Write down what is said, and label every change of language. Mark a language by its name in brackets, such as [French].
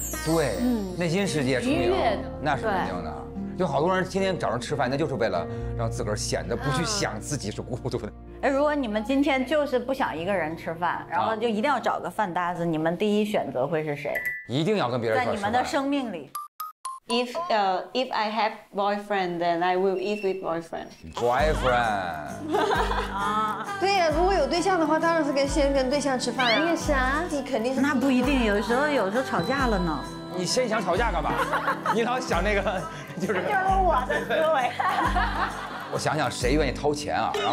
[Chinese] 对，内心世界充盈，那是肯定的。就好多人天天找人吃饭，那就是为了让自个儿显得不去想自己是孤独的。哎，如果你们今天就是不想一个人吃饭，然后就一定要找个饭搭子，你们第一选择会是谁？一定要跟别人在你们的生命里。 [English] If I have boyfriend, then I will eat with boyfriend. Boyfriend. [Chinese] 对呀，如果有对象的话，当然是先跟对象吃饭。你也是啊，你肯定是。那不一定，有时候吵架了呢。你先想吵架干嘛？你老想那个，就是。就是我的思维。我想想谁愿意掏钱啊？